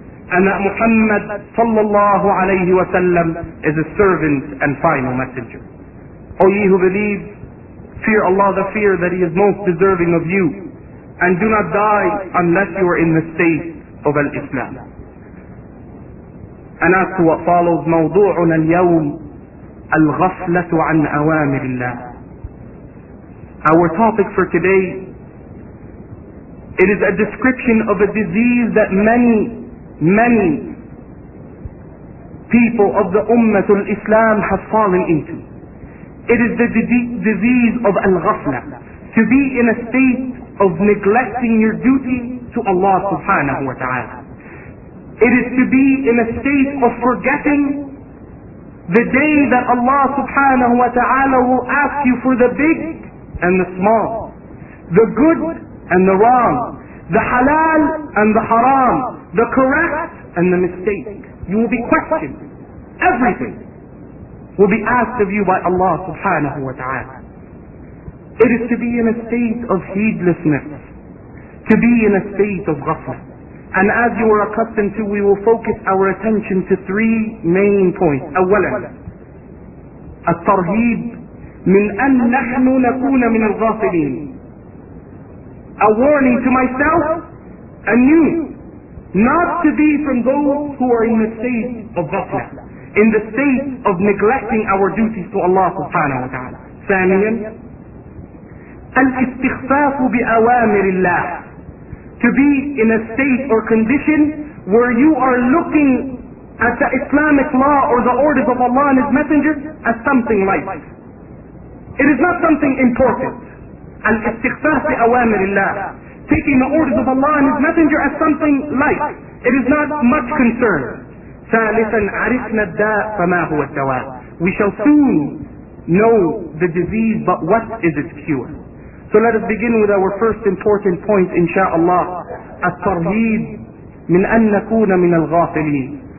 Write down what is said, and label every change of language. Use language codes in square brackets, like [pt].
[en] And that Muhammad sallallahu alayhi wa sallam is a servant and final messenger. O ye who believe, fear Allah the fear that He is most deserving of you. And do not die unless you are in the state of al-Islam. And as to what follows, [ar] موضوعنا اليوم الغفلة عن أوامر الله. [en] Our topic for today, it is a description of a disease that many people of the Ummah al-Islam have fallen into. It is the disease of al-ghafla, to be in a state of neglecting your duty to Allah subhanahu wa ta'ala. It is to be in a state of forgetting the day that Allah subhanahu wa ta'ala will ask you for the big and the small, the good and the wrong, the halal and the haram, the correct and the mistake. You will be questioned. Everything will be asked of you by Allah subhanahu wa ta'ala. It is to be in a state of heedlessness, to be in a state of ghafla. And as you are accustomed to, we will focus our attention to three main points. [ar] أولاً, الترهيب من أن نحن نكون من الغافلين. [en] A warning to myself and you, not to be from those who are in the state of ghafla, in the state of neglecting our duties to Allah subhanahu wa ta'ala. [ar] ثانياً, الاستخفاف بأوامر الله. [en] To be in a state or condition where you are looking at the Islamic law or the orders of Allah and His Messenger as something light. It is not something important. [ar] الاستخفاف بأوامر الله. [en] Taking the orders of Allah and His Messenger as something light. It is not much concern. [ar] ثالثا عرفنا الداء فما هو الدواء. [en] We shall soon know the disease, but what is its cure? So let us begin with our first important point, insha'Allah. [ar] الترهيب من أن نكون من الغافلين.